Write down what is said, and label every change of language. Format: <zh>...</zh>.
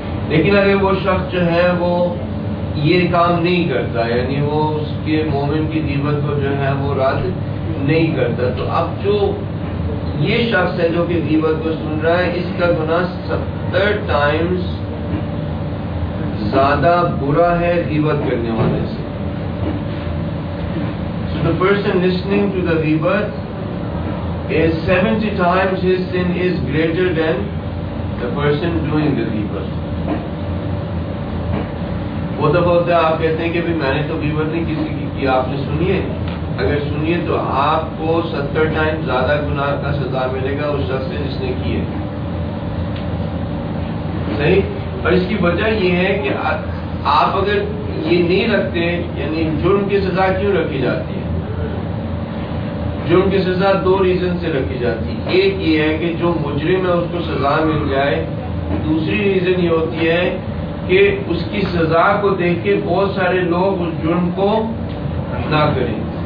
<ur>لیکن اگر وہ شخص جو ہے وہ یہ کام نہیں کرتا, یعنی وہ اس کے مومن کی غیبت کو جو ہے وہ رد نہیں کرتا, تو اب جو یہ شخص ہے جو کہ غیبت کو سن رہا ہے اس کا گناہ 70 ٹائمز زیادہ برا ہے غیبت کرنے والے سے.</ur> <en>So the person listening to the غیبت is 70 times his sin is greater than the person doing the غیبت.</en> <ur>وہ دفعہ ہوتا ہے آپ کہتے ہیں کہ میں نے تو غیبت نہیں کسی کی, آپ نے سنیے اگر سنیے تو آپ کو 70 ٹائم زیادہ گناہ کا سزا ملے گا اس شخص سے جس نے کی ہے, صحیح. اور اس کی وجہ یہ ہے کہ آپ اگر یہ نہیں رکھتے, یعنی جرم کی سزا کیوں رکھی جاتی ہے؟ جرم کی سزا دو ریزن سے رکھی جاتی ہے, ایک یہ ہے کہ جو مجرم ہے اس کو سزا مل جائے, دوسری ریزن یہ ہوتی ہے کہ اس کی سزا کو دیکھ کے بہت سارے لوگ اس جرم کو نہ کریں.</ur>